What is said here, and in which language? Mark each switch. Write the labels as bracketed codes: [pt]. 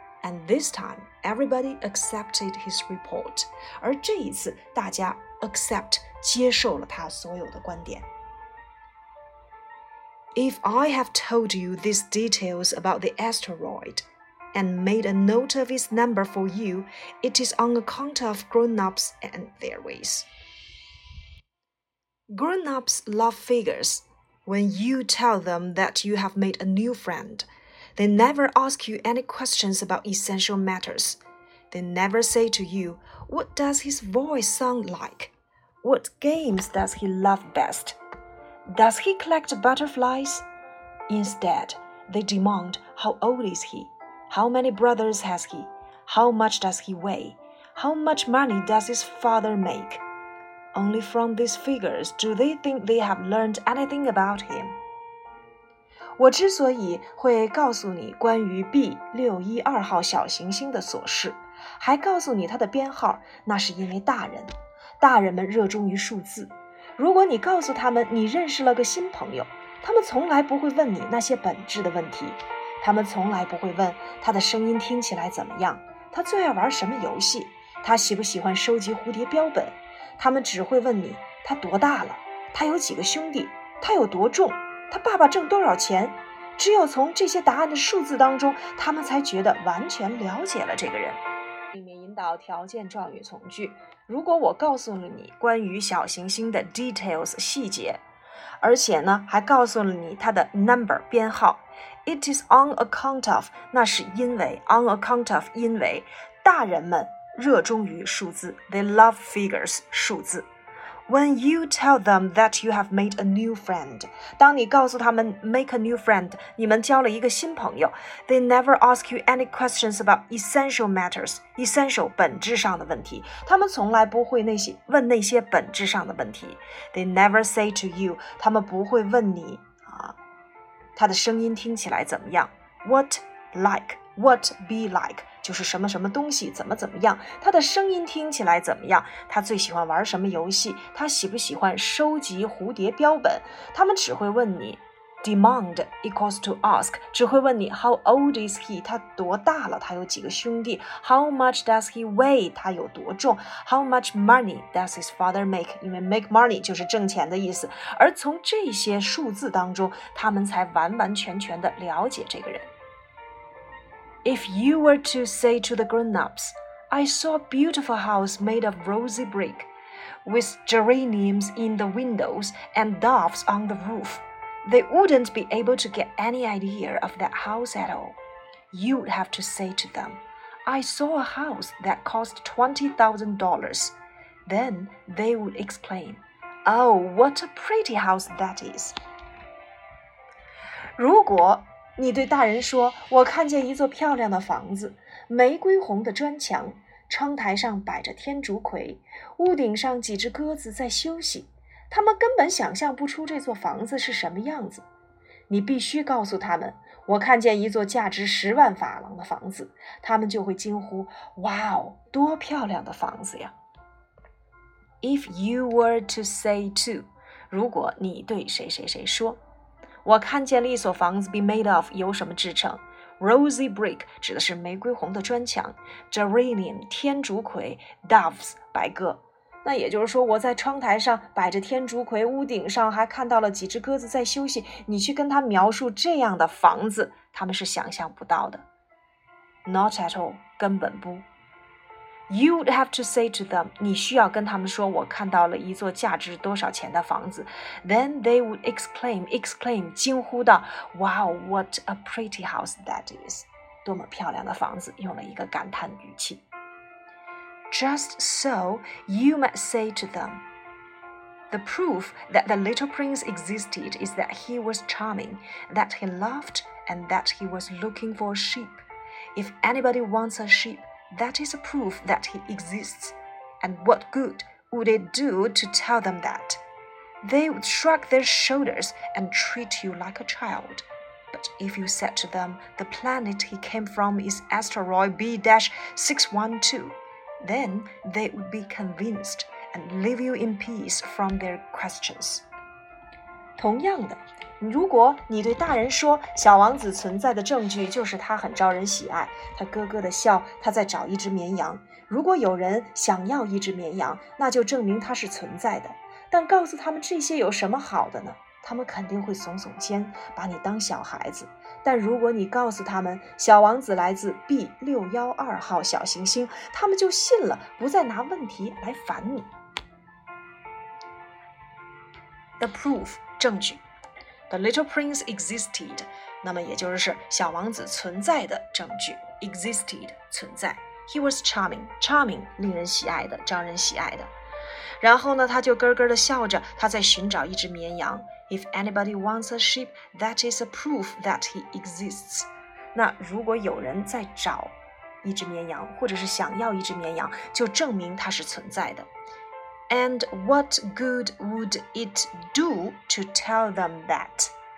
[en] And this time, everybody accepted his report. [zh] 而这一次，大家Accept 接受了他所有的观点。 [en] If I have told you these details about the asteroid and made a note of its number for you, it is on account of grown-ups and their ways. Grown-ups love figures. When you tell them that you have made a new friend, they never ask you any questions about essential matters. They never say to you, "What does his voice sound like?" What games does he love best? Does he collect butterflies? Instead, they demand, how old is he? How many brothers has he? How much does he weigh? How much money does his father make? Only from these figures do they think they have learned anything about him. [zh] 我之所以会告诉你关于 B612 号小行星的琐事，还告诉你它的编号，那是因为大人。大人们热衷于数字。如果你告诉他们你认识了个新朋友，他们从来不会问你那些本质的问题。他们从来不会问他的声音听起来怎么样，他最爱玩什么游戏，他喜不喜欢收集蝴蝶标本。他们只会问你他多大了，他有几个兄弟，他有多重，他爸爸挣多少钱。只有从这些答案的数字当中，他们才觉得完全了解了这个人。里面引导条件状语从句，如果我告诉了你关于小行星的 details 细节，而且呢还告诉了你它的 number 编号， [en] it is on account of [zh] 那是因为 on account of 因为大人们热衷于数字 [en] They love figures, [zh] 数字。 [en] When you tell them that you have made a new friend, [zh] 当你告诉他们 [en] make a new friend, [zh] 你们交了一个新朋友 [en] they never ask you any questions about essential matters, [zh] essential 本质上的问题。他们从来不会那些问那些本质上的问题。 [en] They never say to you, [zh] 他们不会问你啊，他的声音听起来怎么样 [en] ?What like, what be like? [zh] 就是什么什么东西怎么怎么样他的声音听起来怎么样他最喜欢玩什么游戏他喜不喜欢收集蝴蝶标本他们只会问你 [en] demand equals to ask [zh] 只会问你 [en] how old is he [zh] 他多大了他有几个兄弟 [en] how much does he weigh [zh] 他有多重 [en] how much money does his father make [zh] 因为 [en] make money [zh] 就是挣钱的意思而从这些数字当中他们才完完全全地了解这个人 [en] If you were to say to the grown-ups, I saw a beautiful house made of rosy brick, with geraniums in the windows and doves on the roof, they wouldn't be able to get any idea of that house at all. You'd have to say to them, I saw a house that cost $20,000. Then they would exclaim, Oh, what a pretty house that is. [zh] 如果你对大人说我看见一座漂亮的房子玫瑰红的砖墙窗台上摆着天竺葵屋顶上几只鸽子在休息他们根本想象不出这座房子是什么样子你必须告诉他们我看见一座价值10万法郎的房子他们就会惊呼哇哦多漂亮的房子呀 [en] If you were to say to [zh] 如果你对谁谁谁说我看见了一所房子 [en] be made of [zh] 由什么制成 [en] Rosy brick [zh] 指的是玫瑰红的砖墙 Geranium 天竺葵 Doves 白鸽那也就是说我在窗台上摆着天竺葵屋顶上还看到了几只鸽子在休息你去跟他描述这样的房子他们是想象不到的 [en] Not at all [zh] 根本不 You'd have to say to them 你需要跟他们说我看到了一座价值多少钱的房子 [en] Then they would exclaim [zh] 惊呼道 [en] Wow, what a pretty house that is [zh] 多么漂亮的房子用了一个感叹语气 [en] Just so you might say to them The proof that the little prince existed is that he was charming That he loved and that he was looking for a sheep If anybody wants a sheepThat is a proof that he exists. And what good would it do to tell them that? They would shrug their shoulders and treat you like a child. But if you said to them, the planet he came from is asteroid B-612, then they would be convinced and leave you in peace from their questions. [zh] 同样的如果你对大人说小王子存在的证据就是他很招人喜爱他咯咯的笑他在找一只绵羊如果有人想要一只绵羊那就证明他是存在的但告诉他们这些有什么好的呢他们肯定会耸耸肩把你当小孩子但如果你告诉他们小王子来自 B612 号小行星他们就信了不再拿问题来烦你 [en] The proof [zh] 证据 [en] The little prince existed, [zh] 那么也就是小王子存在的证据 existed, 存在 [en] He was charming, charming, [zh] 令人喜爱的招人喜爱的然后呢他就咯咯地笑着他在寻找一只绵羊 [en] If anybody wants a sheep, that is a proof that he exists [zh] 那如果有人在找一只绵羊或者是想要一只绵羊就证明他是存在的 [en] And what good would it do to tell them that?